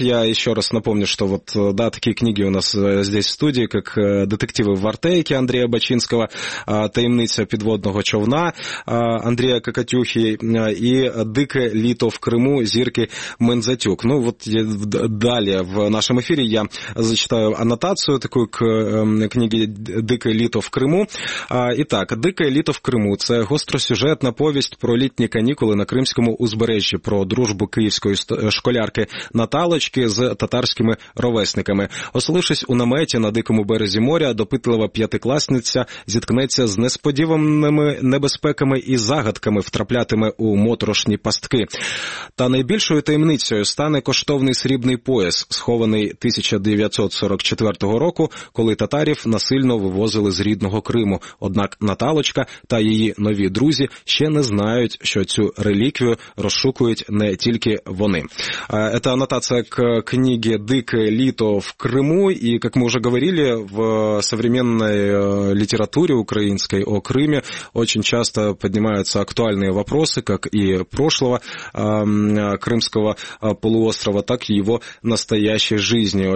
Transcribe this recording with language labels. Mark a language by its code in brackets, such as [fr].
[ru] Я еще раз напомню, что вот, да, такие книги у нас здесь в студии, как «Детективы в Артейке» Андрея Бачинского, «Таймниця підводного човна» Андрея Кокотюхи и «Дике літо в Криму» Зірки Мензатюк. Ну вот далее в нашем эфире я зачитаю аннотацию такую к книге «Дике літо в Криму». [uk] Итак, «Дике літо в Криму» – це гостросюжетна повість про літні канікули на Кримському узбережжі, про дружбу київської школярки Наталочки з татарськими ровесниками. Оселившись у наметі на дикому березі моря, допитлива п'ятикласниця зіткнеться з несподіваними небезпеками і загадками, втраплятиме у моторошні пастки. Та найбільшою таємницею стане коштовний срібний пояс, схований 1944 року, коли татарів насильно вивозили з рідного Криму. Однак Наталочка та її нові друзі ще не знають, що цю реліквію розшукують не тільки вони. Це анотація [ru] к книге «Дике літо в Криму», и, как мы уже говорили, в современной литературе украинской о Крыме очень часто поднимаются актуальные вопросы, как и прошлого Крымского полуострова, так и его настоящей жизни.